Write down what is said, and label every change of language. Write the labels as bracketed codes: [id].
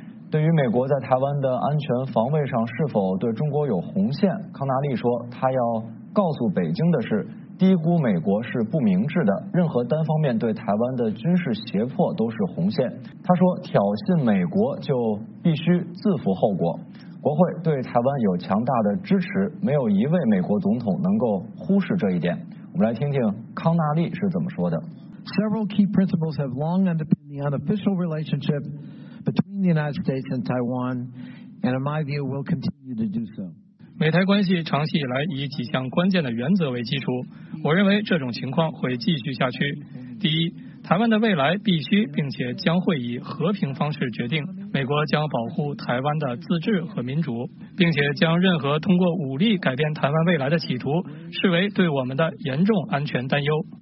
[zh] 对于美国在台湾的安全防卫上是否对中国有红线，康纳利说，他要告诉北京的是，低估美国是不明智的，任何单方面对台湾的军事胁迫都是红线。他说，挑衅美国就必须自负后果，国会对台湾有强大的支持，没有一位美国总统能够忽视这一点。我们来听听康纳利是怎么说的。 [en] Several key principles have long underpinned the unofficial relationship between the United States and Taiwan, and in my view will continue to do so. [zh] 美台关系长期以来以几项关键的原则为基础，我认为这种情况会继续下去。第一，台湾的未来必须并且将会以和平方式决定，美国将保护台湾的自治和民主，并且将任何通过武力改变台湾未来的企图视为对我们的严重安全担忧。